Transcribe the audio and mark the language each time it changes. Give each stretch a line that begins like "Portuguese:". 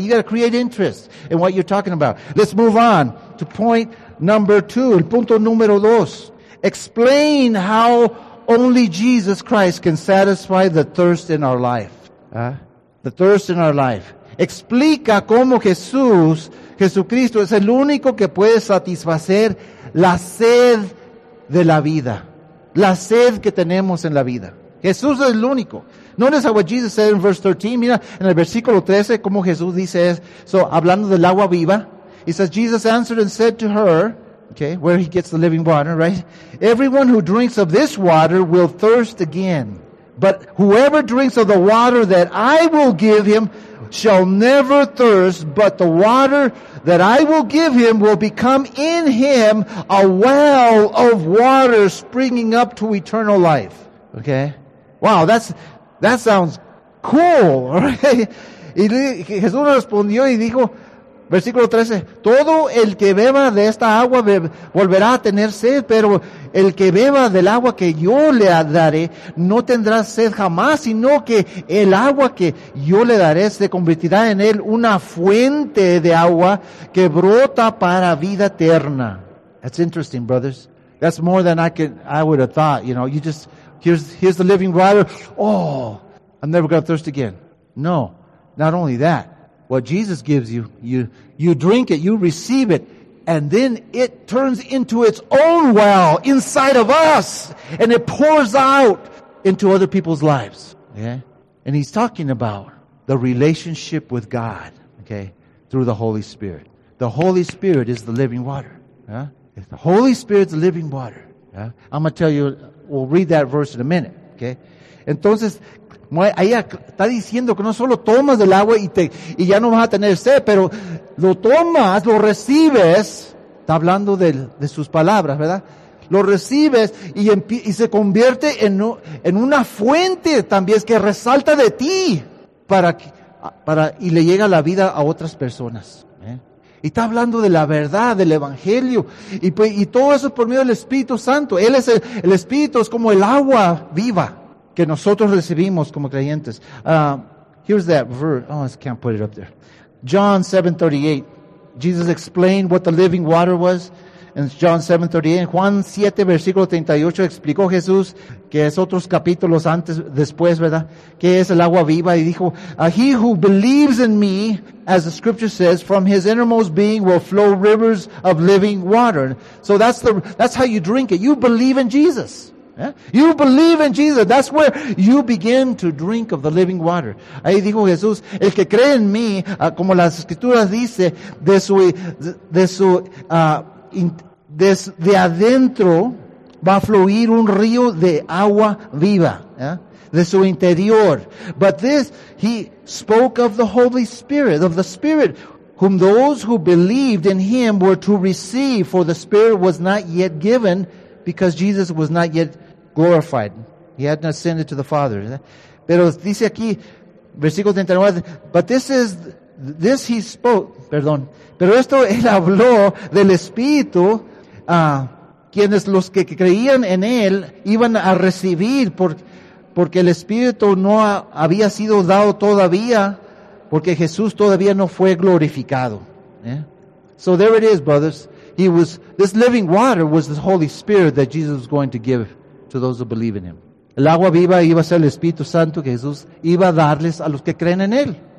English: You got to create interest in what you're talking about. Let's move on to point number two.
Spanish: El punto número dos.
English: Explain how only Jesus Christ can satisfy the thirst in our life. Huh? The thirst in our life.
Spanish: Explica cómo Jesucristo es el único que puede satisfacer la sed de la vida. La sed que tenemos en la vida. Jesús es el único.
English: Notice what Jesus said in verse 13.
Spanish: Mira, en el versículo 13, cómo Jesús dice eso, hablando del agua viva.
English: He says, Jesus answered and said to her, okay, where he gets the living water, right? Everyone who drinks of this water will thirst again. But whoever drinks of the water that I will give him shall never thirst, but the water that I will give him will become in him a well of water springing up to eternal life. Okay? Wow, that sounds cool, right?
Spanish: Y Jesús respondió y dijo, Versículo 13. Todo el que beba de esta agua volverá a tener sed, pero el que beba del agua que yo le daré no tendrá sed jamás, sino que el agua que yo le daré se convertirá en él una fuente de agua que brota para vida eterna.
English: That's interesting, brothers. That's more than I would have thought. You know, you just, here's the living water. Oh, I'm never going to thirst again. No, not only that. What Jesus gives you, you drink it, you receive it, and then it turns into its own well inside of us, and it pours out into other people's lives. Yeah? And he's talking about the relationship with God, okay, through the Holy Spirit. The Holy Spirit is the living water. Yeah? If the Holy Spirit's the living water, yeah? I'm going to tell you, we'll read that verse in a minute, okay?
Spanish: Entonces, ahí está diciendo que no solo tomas del agua y ya no vas a tener sed, pero lo tomas, lo recibes, está hablando de sus palabras, ¿verdad? Lo recibes y se convierte en una fuente también que resalta de ti para y le llega la vida a otras personas, ¿eh? Y está hablando de la verdad, del Evangelio. Y todo eso por medio del Espíritu Santo. Él es el Espíritu, es como el agua viva que nosotros recibimos como creyentes.
English: Here's that verse. Oh, I can't put it up there. John 7:38. Jesus explained what the living water was in John 7:38.
Spanish: Juan 7, versículo 38, explicó Jesús, que es otros capítulos antes, después, ¿verdad?, que es el agua viva, y dijo,
English: he who believes in me, as the scripture says, from his innermost being will flow rivers of living water. So that's how you drink it. You believe in Jesus. Yeah? You believe in Jesus. That's where you begin to drink of the living water.
Spanish: Ahí dijo Jesús, el que cree en mí, como las escrituras dice, de adentro va a fluir un río de agua viva. Yeah? De su interior.
English: But this, he spoke of the Holy Spirit, of the Spirit whom those who believed in him were to receive, for the Spirit was not yet given because Jesus was not yet glorified. He had not ascended to the Father.
Spanish: Pero dice aquí, versículo 39,
English: but this he spoke,
Spanish: perdón, pero esto él habló del Espíritu, quienes los que creían en él iban a recibir, porque el Espíritu no había sido dado todavía, porque Jesús todavía no fue glorificado. Yeah?
English: So there it is, brothers. This living water was the Holy Spirit that Jesus was going to give to those who believe in him.
Spanish: El agua viva iba a ser el Espíritu Santo que Jesús iba a darles a los que creen en él.